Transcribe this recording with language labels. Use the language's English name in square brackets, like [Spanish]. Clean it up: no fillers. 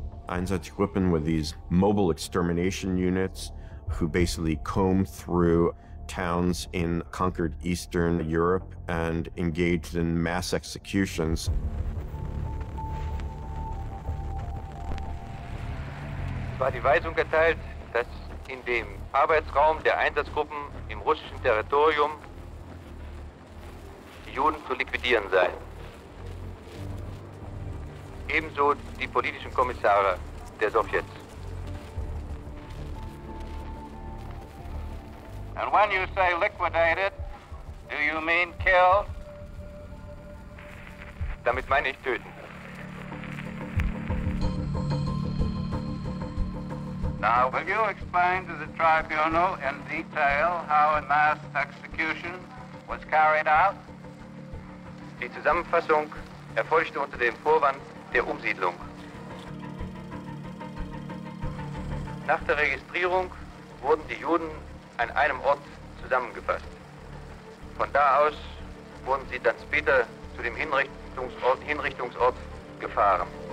[English] Einsatzgruppen were these mobile extermination units who basically combed through towns in conquered Eastern Europe and engaged in mass executions. [German] Es war die Weisung erteilt, dass in dem Arbeitsraum der Einsatzgruppen im russischen Territorium die Juden zu liquidieren seien. Ebenso die politischen Kommissare der Sowjets. [English] And when you say liquidated, do you mean kill? [German] Damit meine ich töten. [English] Now, will you explain to the tribunal in detail how a mass execution was carried out? [German] Die Zusammenfassung erfolgte unter dem Vorwand der Umsiedlung. Nach der Registrierung wurden die Juden an einem Ort zusammengefasst. Von da aus wurden sie dann später zu dem Hinrichtungsort gefahren.